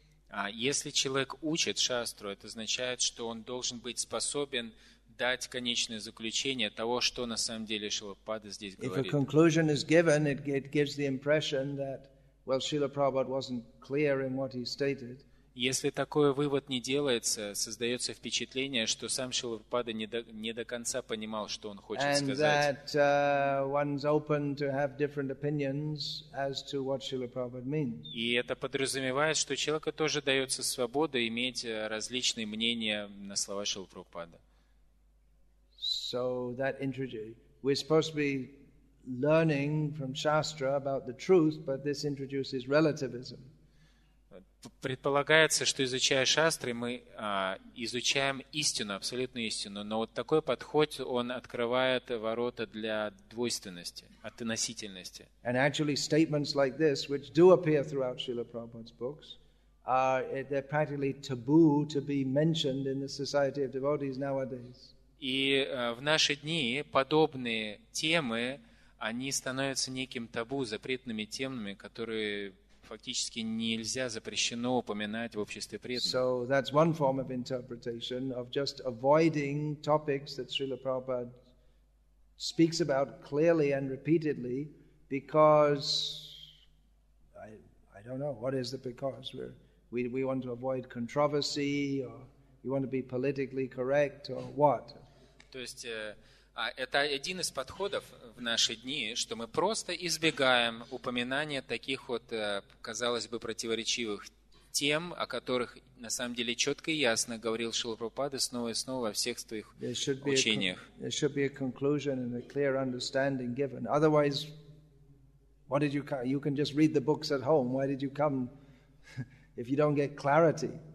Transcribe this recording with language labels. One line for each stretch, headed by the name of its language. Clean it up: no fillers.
Russian: А если человек учит шастру, это означает, что он должен быть способен дать конечное заключение того, что на самом деле Шрила Прабхупада здесь говорит.
English: If a conclusion is given, it gives the impression that, well, Srila Prabhupada wasn't clear in what he stated.
Russian: Если такой вывод не делается, создается впечатление, что сам Шрила Прабхупада не до конца понимал, что он хочет
English: and
Russian: сказать.
English: That, one's open to have different opinions as to what Srila Prabhupada means.
Russian: И это подразумевает, что человеку тоже дается свобода иметь различные мнения на слова Шрила Прабхупада.
English: So that we're supposed to be learning from Shastra about the truth, but this introduces relativism.
Russian: Предполагается, что изучая шастры, мы изучаем истину, абсолютную истину, но вот такой подход, он открывает ворота для двойственности, относительности.
English: And actually statements like this, which do appear throughout Srila Prabhupada's books, they're practically taboo to be mentioned in the society of devotees nowadays.
Russian: И в наши дни подобные темы они становятся неким табу, запретными темами, которые фактически нельзя, запрещено упоминать в обществе преданных.
English: So that's one form of interpretation of just avoiding topics that Srila Prabhupada speaks about clearly and repeatedly because I don't know what is the because we want to avoid controversy or you want to be politically correct or what?
Russian: То есть это один из подходов в наши дни, что мы просто избегаем упоминания таких вот, казалось бы, противоречивых тем, о которых на самом деле четко и ясно говорил Шрила Прабхупада снова и снова во всех своих учениях.
English: There should be a conclusion and a clear understanding given. Otherwise, why did you come? You can just read the books at home. Why did you come if you don't get clarity?